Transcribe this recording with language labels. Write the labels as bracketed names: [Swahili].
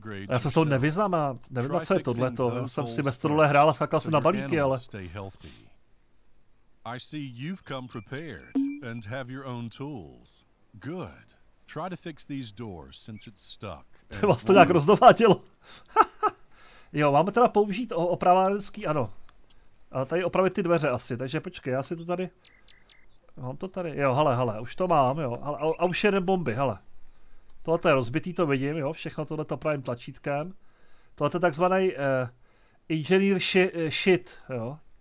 [Czech] Já se v tom nevyznám a nevím, co je tohleto. Já jsem si ve stodole hrál a skákal se na balíky, ale... [English] I see you've come prepared and have your own tools. Good. Try to fix these doors since it's stuck. [Czech] To vás to nějak rozdovádělo. Jo, máme teda použít opravářský, ano. Ale tady opravit ty dveře asi, takže počkej, já si to tady... Mám to tady, jo, hele, už to mám, jo, hele, a už jeden bomby, hele. Tohle je rozbitý, to vidím, jo, všechno tohle to pravým tlačítkem. Tohle je takzvaný engineer shit, jo.